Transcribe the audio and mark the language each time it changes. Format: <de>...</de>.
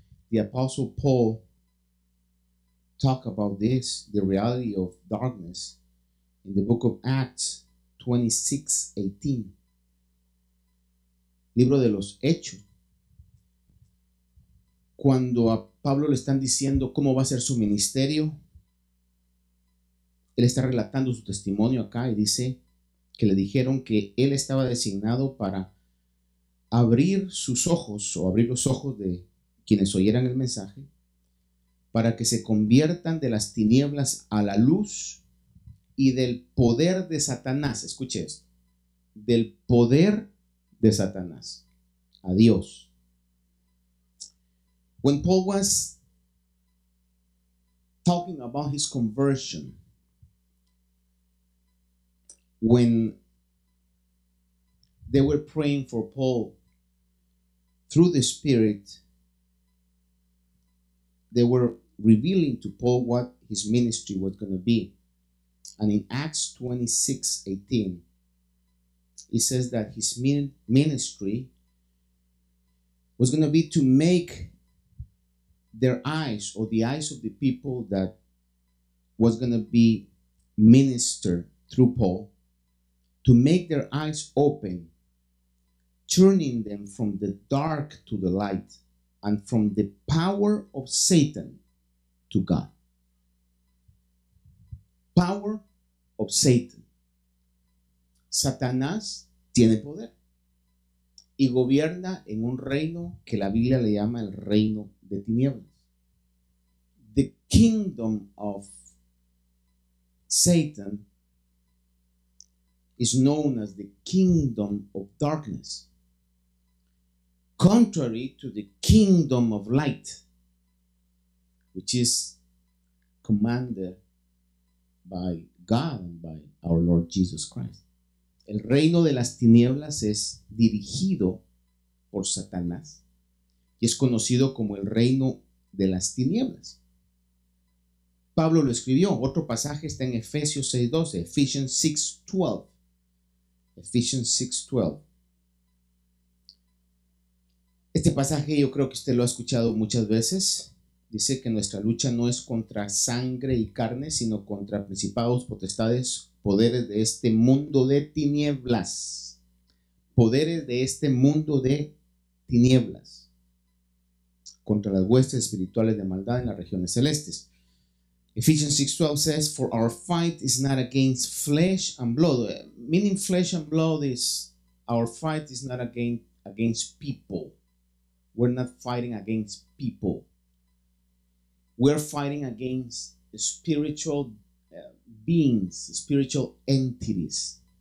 <en>The apostle Paul talked about this, the reality of darkness, in the book of Acts 26:18.</en> <es>Libro de los Hechos. Cuando a Pablo le están diciendo cómo va a ser su ministerio, él está relatando su testimonio acá y dice que le dijeron que él estaba designado para abrir sus ojos o abrir los ojos de quienes oyeran el mensaje para que se conviertan de las tinieblas a la luz y del poder de Satanás. Escuche esto, del poder de Satanás a Dios.</es> <en>When Paul was talking about his conversion, when they were praying for Paul through the Spirit, they were revealing to Paul what his ministry was going to be. And in Acts 26:18, it says that his ministry was going to be to make their eyes, or the eyes of the people that was going to be ministered through Paul, to make their eyes open, turning them from the dark to the light and from the power of Satan to God. Power of Satan.</en> <es>Satanás tiene poder y gobierna en un reino que la Biblia le llama el reino de tinieblas.</es> <en>The kingdom of Satan is known as the kingdom of darkness, contrary to the kingdom of light, which is commanded by God and by our Lord Jesus Christ.</en> <es>El reino de las tinieblas es dirigido por Satanás y es conocido como el reino de las tinieblas. Pablo lo escribió. Otro pasaje está en Efesios 6:12, Ephesians 6:12. Este pasaje yo creo que usted lo ha escuchado muchas veces. Dice que nuestra lucha no es contra sangre y carne, sino contra principados, potestades, poderes de este mundo de tinieblas. Poderes de este mundo de tinieblas. Contra las huestes espirituales de maldad en las regiones celestes.</es> <en>Ephesians 6:12 says, for our fight is not against flesh and blood. Meaning flesh and blood is, our fight is not against people. We're not fighting against people. We're fighting against spiritual beings, spiritual entities.</en>